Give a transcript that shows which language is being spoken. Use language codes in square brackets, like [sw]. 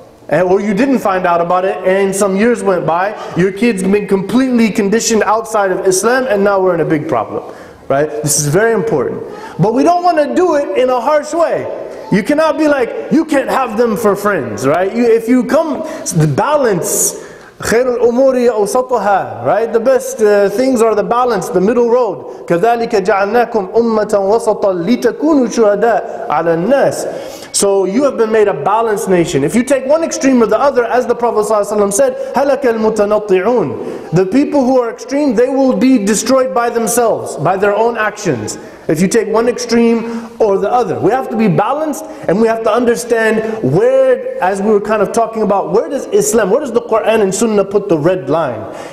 [en] Or you didn't find out about it and some years went by. Your kids been completely conditioned outside of Islam and now we're in a big problem. Right? This is very important. But we don't want to do it in a harsh way. You cannot be like, you can't have them for friends, right? If you come, the balance, [ar] خير الأمور أوسطها, [en] right? The best things are the balance, the middle road. [ar] كذلك جعلناكم أمة وسطا لتكونوا شهداء على الناس. [en] So you have been made a balanced nation. If you take one extreme or the other, as the Prophet ﷺ said, [ar] هلك المتنطعون. [en] The people who are extreme, they will be destroyed by themselves, by their own actions. If you take one extreme or the other. We have to be balanced and we have to understand where, as we were kind of talking about, where does Islam, where does the Quran and Sunnah put the red line?